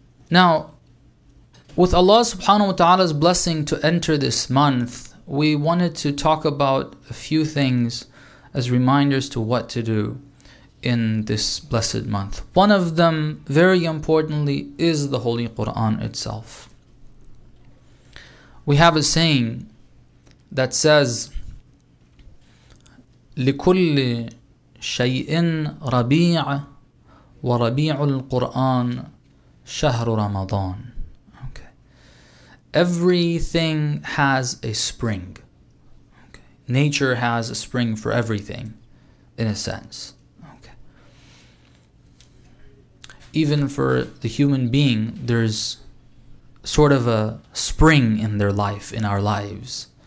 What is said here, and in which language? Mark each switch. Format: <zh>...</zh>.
<en>Now, with Allah subhanahu wa ta'ala's blessing to enter this month, we wanted to talk about a few things as reminders to what to do in this blessed month. One of them, very importantly, is the Holy Quran itself. We have a saying that says,</en> <ar>لِكُلِّ شَيْءٍ رَبِيعٌ وَرَبِيعُ الْقُرْآنِ شَهْرُ رَمَضَانِ.</ar> <en>Everything has a spring. Okay. Nature has a spring for everything, in a sense. Okay. Even for the human being, there's sort of a spring in their life, in our lives.</en>